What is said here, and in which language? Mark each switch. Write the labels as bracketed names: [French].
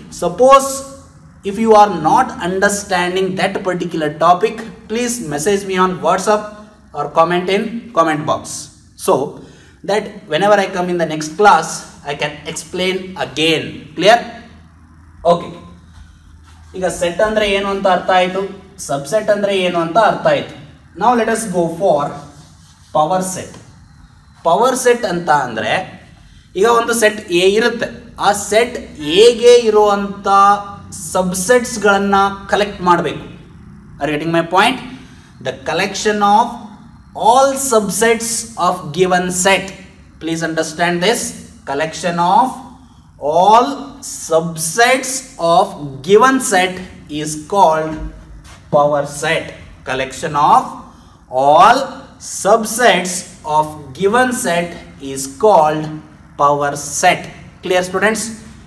[English] Suppose if you are not understanding that particular topic, please message me on WhatsApp or comment in comment box, so that whenever I come in the next class I can explain again. Clear? Okay. [Kannada] ಈಗ set ಅಂದ್ರೆ ಏನು ಅಂತ ಅರ್ಥ ಆಯಿತು, subset ಅಂದ್ರೆ ಏನು ಅಂತ ಅರ್ಥ ಆಯಿತು. ನಾವು [English] Let us go for power set. [Kannada] Power set ಅಂತ ಅಂದ್ರೆ, ಈಗ ಒಂದು ಸೆಟ್ ಎ ಇರುತ್ತೆ, ಆ ಸೆಟ್ ಎಗೆ ಇರುವಂತ ಸಬ್ಸೆಟ್ಸ್ಗಳನ್ನ ಕಲೆಕ್ಟ್ ಮಾಡಬೇಕು. [English] Are getting my point? The collection of all subsets of given set. Please understand this. Collection of all subsets of given set is called power set. Collection of all subsets of given set is called power set. Clear students?